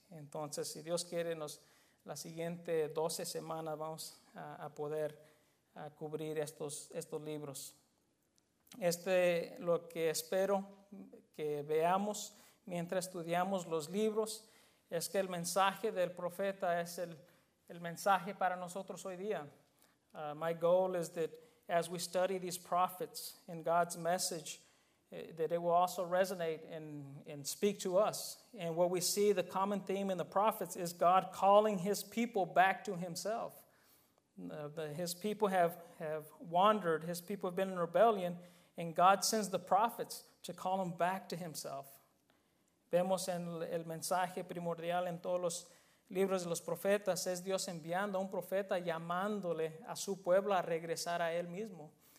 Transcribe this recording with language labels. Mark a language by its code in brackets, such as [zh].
[es] Entonces, si Dios quiere, la siguiente 12 semanas vamos a poder a cubrir estos libros. Este lo que espero que veamos mientras estudiamos los libros es que el mensaje del profeta es el mensaje para nosotros hoy día. [en] My goal is that as we study these prophets in God's message, that it will also resonate and speak to us. And what we see, the common theme in the prophets is God calling his people back to himself. His people have wandered, his people have been in rebellion, and God sends the prophets to call them back to himself. [es] vemos en el mensaje primordial en todos los libros de los profetas, es Dios enviando a un profeta, llamándole a su pueblo a regresar a él mismo.